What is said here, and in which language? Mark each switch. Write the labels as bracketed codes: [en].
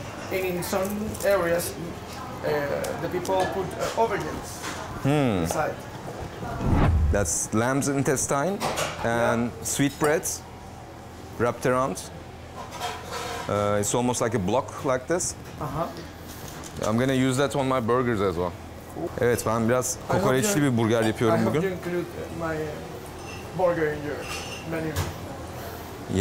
[en] And in some areas, the people put aubergines inside. That's lamb's intestine and sweetbreads wrapped around. It's almost like a block like this. Uh-huh. I'm gonna use that on my burgers as well. Cool. [tr] Evet, ben biraz kokoreçli bir burger yapıyorum bugün. [en] I hope you include my burger in your menu.